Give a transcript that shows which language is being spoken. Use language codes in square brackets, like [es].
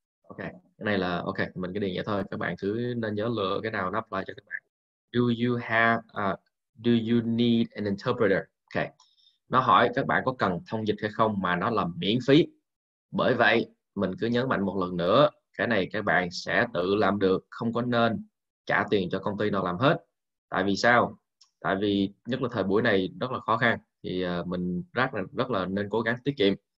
[vi] Ok, cái này là ok, mình cứ điền vậy thôi. Các bạn cứ nên nhớ lựa cái nào nó apply cho các bạn. [en] Do you have do you need an interpreter? Ok. [vi] Nó hỏi các bạn có cần thông dịch hay không mà nó là miễn phí. Bởi vậy, mình cứ nhấn mạnh một lần nữa, cái này các bạn sẽ tự làm được, không có nên trả tiền cho công ty nào làm hết. Tại vì sao? Tại vì nhất là thời buổi này rất là khó khăn, thì mình rất là nên cố gắng tiết kiệm.